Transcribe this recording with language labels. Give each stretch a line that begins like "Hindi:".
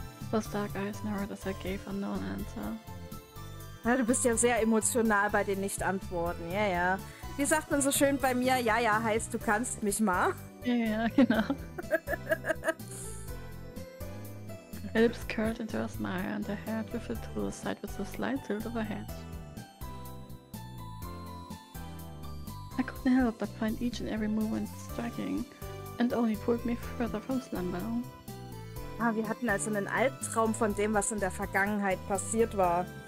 English: Those dark eyes narrowed as I gave a known answer.
German: Ja, du bist ja sehr emotional bei den Nicht-Antworten, ja, ja. Wie sagt man so schön bei mir, ja, ja, heißt, du kannst mich mal. Ja, ja, genau.
English: Her lips curled into a smile and her hair drifted to the side with a slight tilt of her head. I couldn't help but find each and every movement striking and only pulled me further from slumber.
German: Ah, wir hatten also einen Albtraum von dem, was in der Vergangenheit passiert war.